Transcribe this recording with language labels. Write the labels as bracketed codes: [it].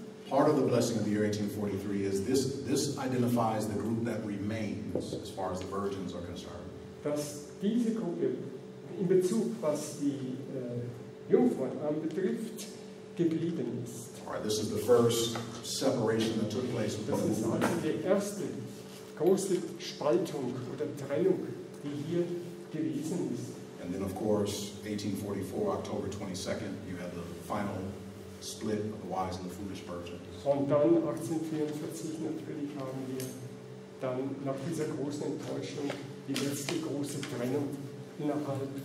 [en] Part of the blessing of the year 1843 is this identifies the group that remains as far as the virgins are concerned. [de] Dass diese Gruppe in Bezug, was die Jungfrauen anbetrifft, geblieben ist. [en] All right, this is the first separation that took place with the movement. [de] Das ist also die erste große Spaltung oder Trennung, die hier gewesen ist. [en] And then, of course, 1844, October 22nd, you have the final split of the wise and the foolish virgins. [de] Und dann 1844 natürlich haben wir dann nach dieser großen Enttäuschung die letzte große Trennung innerhalb